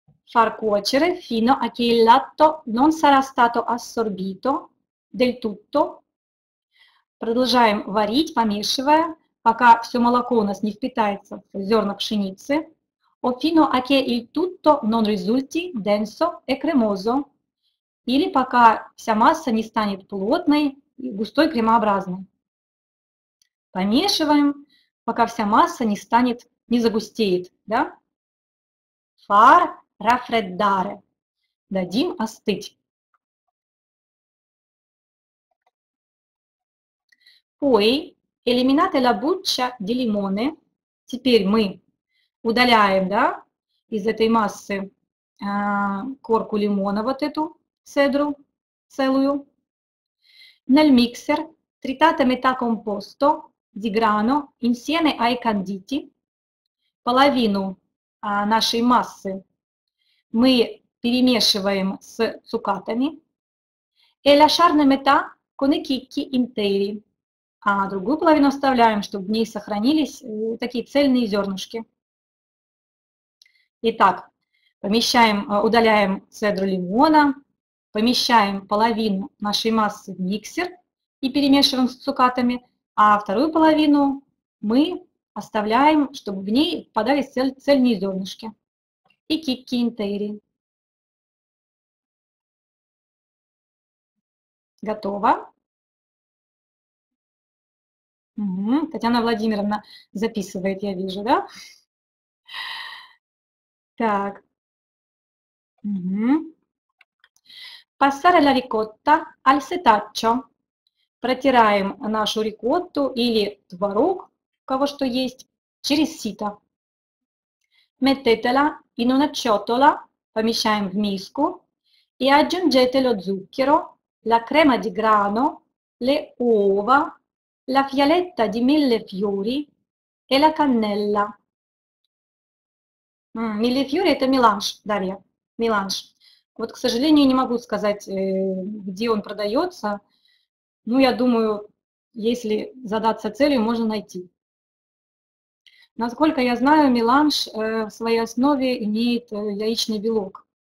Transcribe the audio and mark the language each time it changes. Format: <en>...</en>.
<it>Far cuocere fino a che il latte non sarà stato assorbito del tutto.</it> <ru>Продолжаем варить, помешивая, пока все молоко у нас не впитается в зерна пшеницы.</ru> <it>O fino a che il tutto non risulti denso e cremoso.</it> <ru>Или пока вся масса не станет плотной и густой кремообразной. Помешиваем, пока вся масса не станет, не загустеет, да?</ru> <it>Far raffreddare.</it> <ru>Дадим остыть.</ru> <it>Poi eliminate la buccia di limone.</it> <ru>Теперь мы удаляем, да, из этой массы корку лимона, вот эту цедру целую.</ru> <it>Nel mixer tritate metà composto di grano insieme ai canditi.</it> <ru>Половину нашей массы мы перемешиваем с цукатами.</ru> <it>E lasciarne metà con i chicchi interi.</it> <ru>А другую половину оставляем, чтобы в ней сохранились такие цельные зернышки. Итак, помещаем, удаляем цедру лимона, помещаем половину нашей массы в миксер и перемешиваем с цукатами, а вторую половину мы оставляем, чтобы в ней подались цельные зернышки.</ru> <it>И кикки интери.</it> <ru>Готово. Татьяна Владимировна записывает, я вижу, да? Так.</ru> <it>Passare la ricotta al setaccio.</it> <ru>Протираем нашу рикотту или творог, у кого что есть, через сито.</ru> <it>Mettetela in una ciotola,</it> <ru>помещаем в миску,</ru> <it>e aggiungete lo zucchero, la crema di grano, le uova, la fialetta di mille fiori e la cannella.</it> <ru>Mille fiori это меланж, Дарья, меланж. Вот, к сожалению, не могу сказать, где он продается. Ну, я думаю, если задаться целью, можно найти. Насколько я знаю, меланж в своей основе имеет яичный белок.</ru>